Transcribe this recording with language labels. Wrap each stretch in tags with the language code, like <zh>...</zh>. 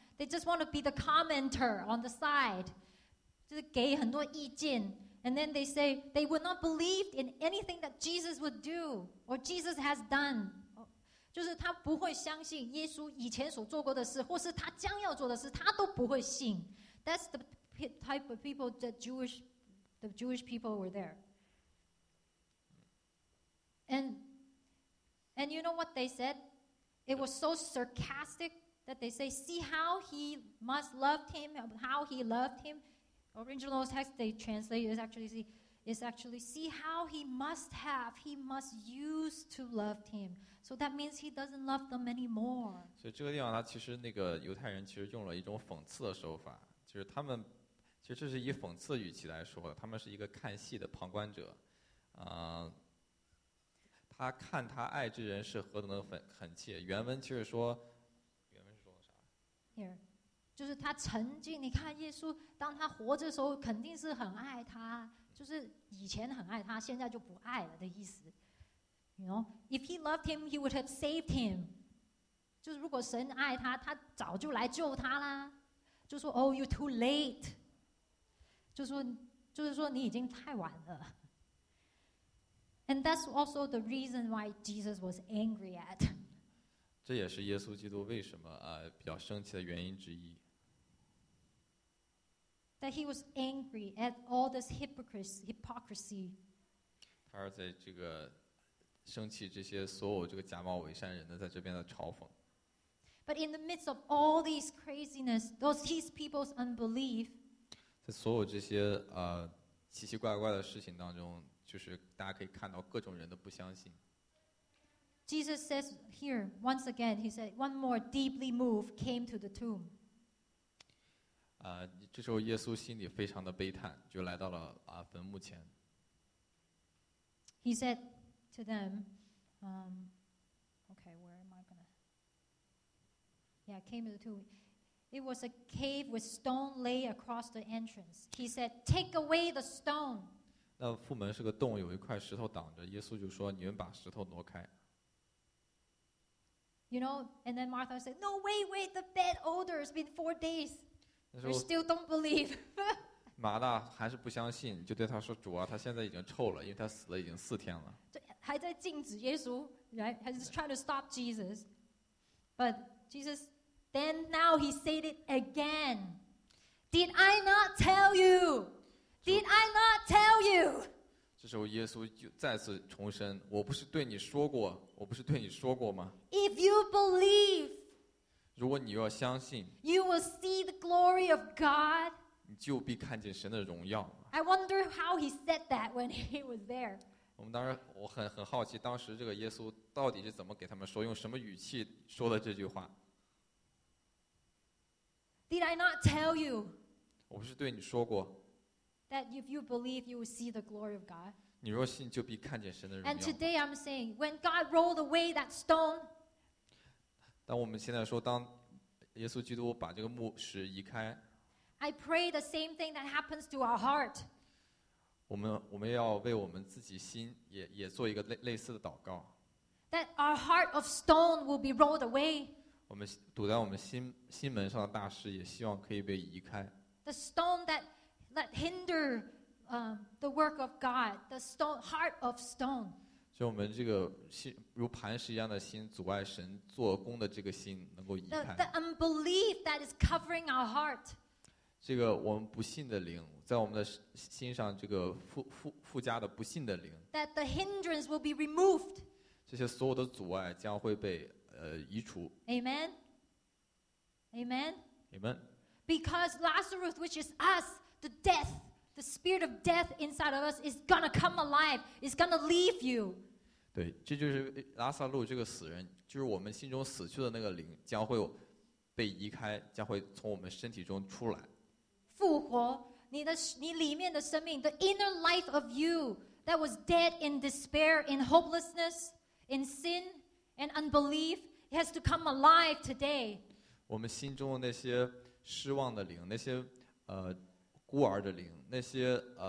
<en>They just want to be the commenter on the side</en> <zh>就是给很多意见</zh> <en>And then they say they would not believe in anything that Jesus would do Or Jesus has done</en> <zh>就是他不会相信耶稣以前所做过的事或是他将要做的事他都不会信</zh> <en>That's the type of people that the Jewish people were there And you know what they said? It was so sarcastic. that they say, see how he must love him, how he loved him. Original text they translate is actually see how he must have, he must use to love him. So that means he doesn't love them anymore.</en> <zh>所以这个地方他其实那个犹太人其实用了一种讽刺的手法，就是他们其实这是以讽刺语气来说的，他们是一个看戏的旁观者，他看他爱之人是何等的恳切。原文其实说，原文是说的啥？</zh> <en>Here，</en> <zh>就是他曾经，你看耶稣，当他活着的时候，肯定是很爱他，就是以前很爱他，现在就不爱了的意思。</zh> <en>You know, if he loved him, he would have saved him.</en> <zh>就是如果神爱他，他早就来救他啦。就说 ，</zh> <en>Oh, you're too late.</en> <zh>就是说你已经太晚了。</zh> <en>And that's also the reason why Jesus was angry at.</en> <zh>这也是耶稣基督为什么比较生气的原因之一。</zh> <en>That he was angry at all this hypocrisy.</en> <zh>他是在这个生气这些所有这个假冒伪善人的在这边的嘲讽。</zh> <en>But in the midst of all these craziness, those his people's unbelief.</en> <zh>在所有这些奇奇怪怪的事情当中。就是大家可以看到各种人的不相信。</zh> <en>Jesus says here once again, he said, one more deeply moved came to the tomb.</en> <zh>这时候耶稣心里非常的悲叹，就来到了坟墓前。</zh> <en>He said to them, okay, where am I gonna? Yeah, came to the tomb. It was a cave with stone lay across the entrance. He said, take away the stone.</en> <zh>那父门是个洞，有一块石头挡着。耶稣就说：“你们把石头挪开。”</zh> <en>You know, and then Martha said, "No, wait, wait. The bad odor has been 4 days. You still don't believe."</en> <zh>马大还是不相信，就对他说：“主啊，他现在已经臭了，因为他死了已经四天了。” 还在禁止耶稣 ，</zh> <en>right? He's trying to stop Jesus, but Jesus then now he said it again. Did I not tell you? Did I not tell you?</en> <zh>这时候耶稣就再次重申，我不是对你说过，我不是对你说过吗？</zh> <en>If you believe,</en> <zh>如果你要相信，</zh> <en>you will see the glory of God.</en> <zh>你就必看见神的荣耀。</zh> <en>I wonder how he said that when he was there.</en> <zh>我们当时我很好奇，当时这个耶稣到底是怎么给他们说，用什么语气说的这句话？</zh> <en>Did I not tell you?</en> <zh>我不是对你说过。</zh> <en>That if you believe, you will see the glory of God.</en> <zh>你若信，就必看见神的荣耀。</zh> <en>And today I'm saying, when God rolled away that stone.</en> <zh>当我们现在说，当耶稣基督把这个墓石移开。</zh> <en>I pray the same thing that happens to our heart.</en> <zh>我们要为我们自己心也做一个类似的祷告。</zh> <en>That our heart of stone will be rolled away.</en> <zh>我们堵在我们心门上的大石，也希望可以被移开。</zh> <en>The stone that hinder the work of God, the stone, heart of stone.</en> <zh>所以我们这个心如磐石一样的心，阻碍神做工的这个心能够移开。</zh> <en>The unbelief that is covering our heart.</en> <zh>这个我们不信的灵，在我们的心上这个附加的不信的灵。</zh> <en>That the hindrance will be removed.</en> <zh>这些所有的阻碍将会被移除。</zh> <en>Amen. Amen. Amen. Because Lazarus, which is us. The death, the spirit of death inside of us is gonna come alive. It's gonna leave you.</en> <zh>对，这就是拉撒路这个死人，就是我们心中死去的那个灵，将会被移开，将会从我们身体中出来。复活，你里面的生命</zh> <en>，the inner life of you that was dead in despair, in hopelessness, in sin, and unbelief, has to come alive today.</en> <zh>我们心中的那些失望的灵，那些孤儿的灵，那些</zh>